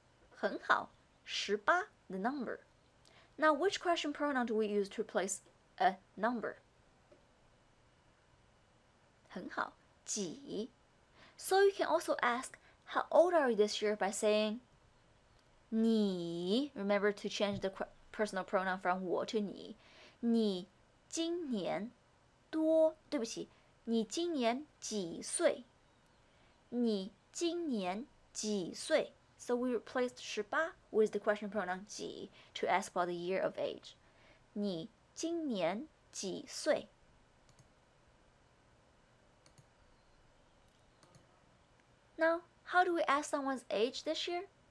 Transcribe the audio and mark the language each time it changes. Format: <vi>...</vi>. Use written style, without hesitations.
<zh>很好,</zh> <en>十八, the number. Now, which question pronoun do we use to replace a number?</en> <zh>很好,几.</zh> <en>So you can also ask, how old are you this year by saying, 你, remember to change the personal pronoun from 我 to 你.</en> <zh>你今年多,对不起,你今年几岁? 你今年几岁?</zh> <en>So we replaced 十八 with the question pronoun 几 to ask about the year of age.</en> <zh>你今年几岁?</zh> <en>Now, how do we ask someone's age this year?</en>